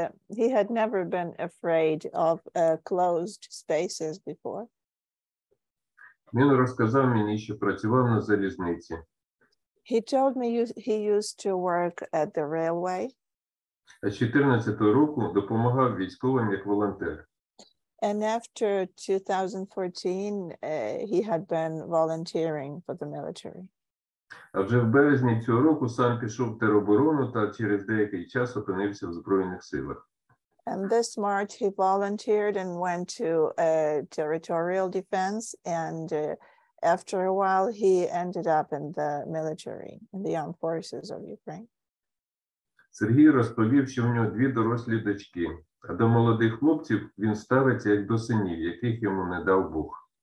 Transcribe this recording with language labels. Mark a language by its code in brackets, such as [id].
[en] He had never been afraid of closed spaces before. [uk] Він розказав мені, що працював на залізниці. [en] He told me he used to work at the railway. [uk] А з 14-го року допомагав військовим як волонтер. [en] And after 2014, he had been volunteering for the military. [uk] А вже в березні цього року сам пішов в тероборону та через деякий час опинився в Збройних силах. [en] And this March he volunteered and went to territorial defense, and after a while he ended up in the military, in the armed forces of Ukraine. [uk] Сергій розповів, що в нього дві дорослі дочки, а до молодих хлопців він ставиться як до синів, яких йому не дав Бог.